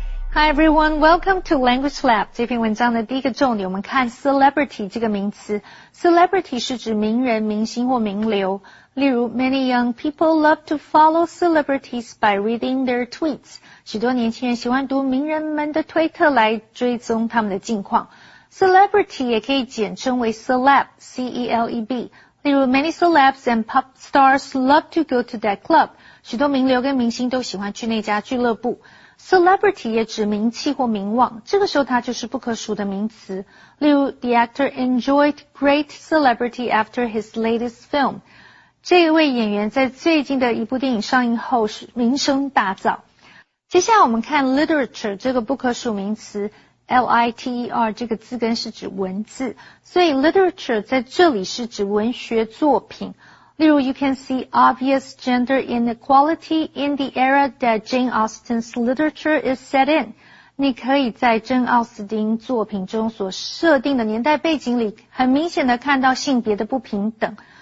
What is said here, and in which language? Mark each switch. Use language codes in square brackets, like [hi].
[en] Hi everyone, welcome to Language Lab. [zh] 这篇文章的第一个重点，我们看 celebrity 这个名词。 Celebrity 是指名人、明星或名流。例如 [en] ,many young people love to follow celebrities by reading their tweets. [zh] 许多年轻人喜欢读名人们的推特来追踪他们的近况。 Celebrity 也可以简称为 celeb, C-E-L-E-B. 例如 [en] ,many celebs and pop stars love to go to that club. [zh] 许多名流跟明星都喜欢去那家俱乐部。 Celebrity 也指名气或名望，这个时候它就是不可数的名词。例如 [en] ,the actor enjoyed great celebrity after his latest film. [zh] 这一位演员在最近的一部电影上映后名声大噪。接下来我们看 literature 这个不可数名词 ,L-I-T-E-R 这个字根是指文字。所以 literature 在这里是指文学作品。例如 [en] ,you can see obvious gender inequality in the era that Jane Austen's literature is set in. [zh] 你可以在珍·奥斯汀作品中所设定的年代背景里很明显的看到性别的不平等。